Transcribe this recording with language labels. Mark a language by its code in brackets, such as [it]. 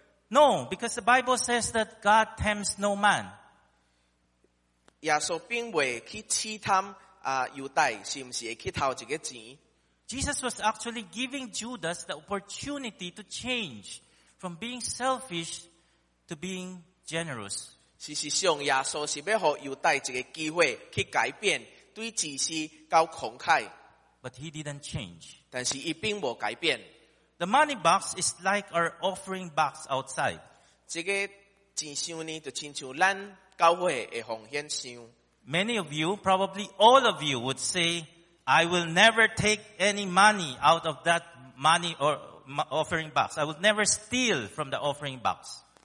[en] No, because the Bible says that God tempts no man. [nan] 耶稣并未去试探犹大是唔是会去偷这个钱。 [en] Jesus was actually giving Judas the opportunity to change from being selfish to being generous. [nan] 事实上，耶稣是要给犹大一个机会去改变，对自私到慷慨。 [en] But he didn't change. [nan] 但是他并没改变。 [en] The money box is like our offering box outside. [nan] 这个钱箱呢，就亲像咱教会的奉献箱。 [en] Many of you, probably all of you, would say, I will never take any money out of that money or offering box. I will never steal from the offering box.